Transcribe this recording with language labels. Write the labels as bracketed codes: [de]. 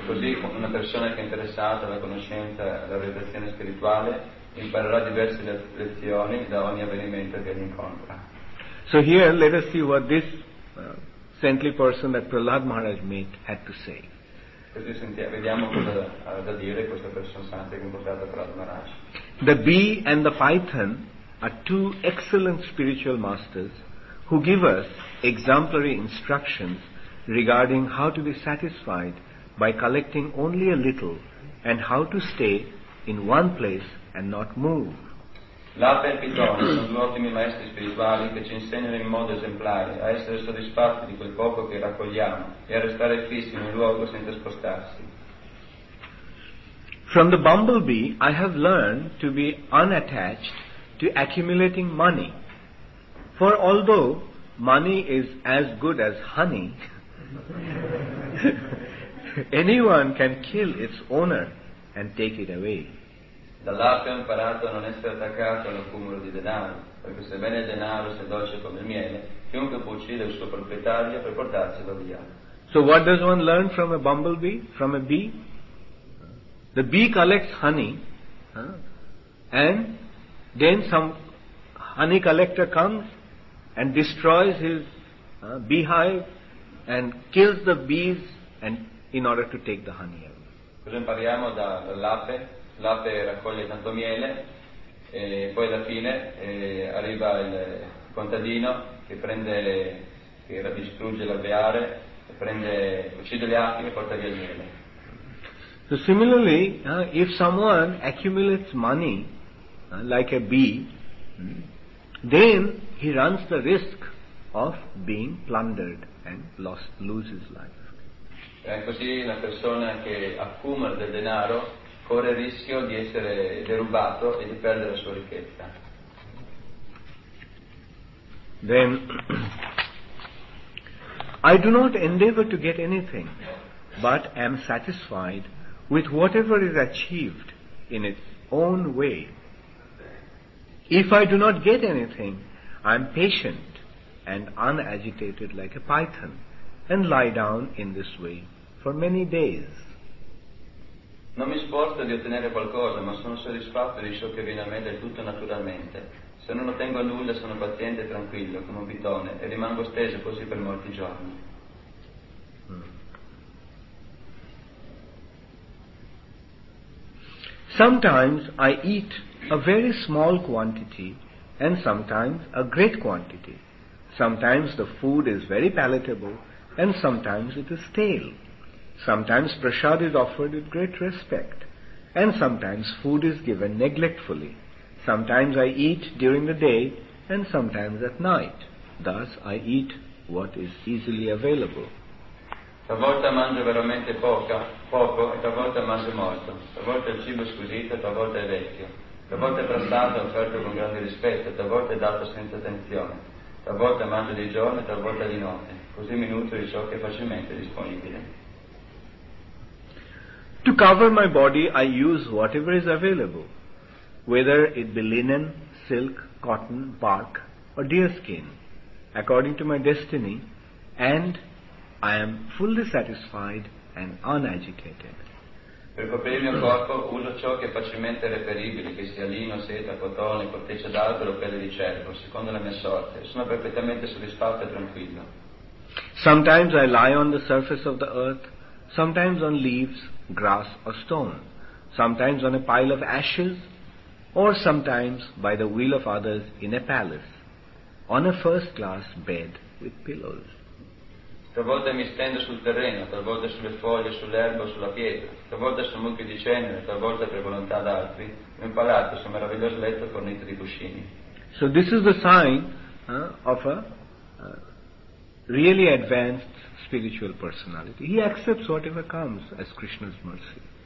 [it] Così una persona che è interessata alla conoscenza, alla realizzazione spirituale, imparerà diverse lezioni da ogni avvenimento che incontra. [en] So here, let us see what this saintly person that Prahlad Maharaj met had to say. [it] Vediamo cosa ha da dire questa persona santa che incontrata Prahlad Maharaj. [en] The bee and the python are two excellent spiritual masters who give us exemplary instructions regarding how to be satisfied by collecting only a little and how to stay in one place and not move. [it] L'ape e il pitone sono due ottimi maestri spirituali che ci insegnano in modo esemplare a essere soddisfatti di quel poco che raccogliamo e a restare fissi in un luogo senza spostarsi. [en] From the bumblebee I have learned to be unattached to accumulating money, for although money is as good as honey, anyone can kill its owner and take it away. [it] Dall'ape ho imparato a non essere attaccato all'accumulo di denaro, perché sebbene il denaro sia dolce come il miele, chiunque può uccidere il suo proprietario per portarselo via. [en] So what does one learn from a bumblebee, from a bee? The bee collects honey, and then some honey collector comes and destroys his beehive and kills the bees and in order to take the honey away. [it] Cosa impariamo dall'ape? L'ape raccoglie tanto miele e poi alla fine arriva il contadino che prende, che distrugge l'alveare, prende, uccide le api e porta via il miele. [en] So similarly, if someone accumulates money like a bee, then he runs the risk of being plundered and lose his life. [it] E così una persona che accumula del denaro corre il rischio di essere derubato e di perdere la sua ricchezza. [en] Then I do not endeavor to get anything, but am satisfied with whatever is achieved in its own way. If I do not get anything, I am patient and unagitated like a python and lie down in this way for many days. [it] Non mi sforzo di ottenere qualcosa, ma sono soddisfatto di ciò che viene a me del tutto naturalmente. Se non ottengo nulla, sono paziente e tranquillo come un pitone e rimango steso così per molti giorni. [en] Sometimes I eat a very small quantity and sometimes a great quantity. Sometimes the food is very palatable and sometimes it is stale. Sometimes prasad is offered with great respect and sometimes food is given neglectfully. Sometimes I eat during the day and sometimes at night. Thus I eat what is easily available. [it] Talvolta mangio veramente poco e talvolta mangio molto. Talvolta il cibo è squisito, talvolta è vecchio. Talvolta è prestato, offerto con grande rispetto, talvolta è dato senza attenzione. Talvolta mangio di giorno e talvolta di notte. Così mi nutro di ciò che è facilmente disponibile. [en] To cover my body I use whatever is available, whether it be linen, silk, cotton, bark or deer skin, according to my destiny, and I am fully satisfied and unagitated. [it] Per coprire il mio corpo uso ciò che è facilmente reperibile, che sia lino, seta, cotone, corteccia d'albero o pelle di cervo, secondo la mia sorte. Sono perfettamente soddisfatto e tranquillo. [en] Sometimes I lie on the surface of the earth, sometimes on leaves, grass or stone, sometimes on a pile of ashes, or sometimes by the will of others in a palace, on a first class bed with pillows. [it] Talvolta mi stendo sul terreno, talvolta sulle foglie, sull'erba, sulla pietra, talvolta su mucchi di cenere, talvolta per volontà d'altri, in un palazzo, su un meraviglioso letto fornito di cuscini. [en] So this is the sign of a really advanced spiritual personality. He accepts whatever comes as Krishna's mercy.